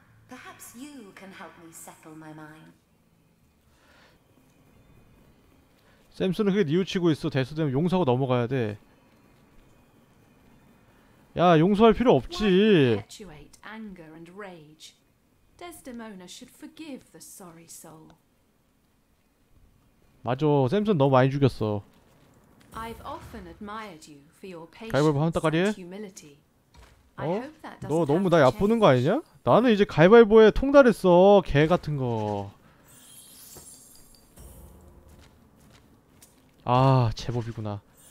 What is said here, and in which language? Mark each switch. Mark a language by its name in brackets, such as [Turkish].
[English] Perhaps you can help me settle my mind. [Korean] 샘슨은 그게 뉘우치고 있어. 대수되면 용서하고 넘어가야 돼. 야, 용서할 필요 없지. [English] Perpetuate anger and rage. Desdemona should forgive the sorry soul. [Korean] 맞아. 샘슨 너무 많이 죽였어. [English] I've often admired you for your patience and humility. [Korean] 어? 너 너무 나 얕보는 거 아니냐? 나는 이제 가위바위보에 통달했어. 개 같은 거. 아, 제법이구나.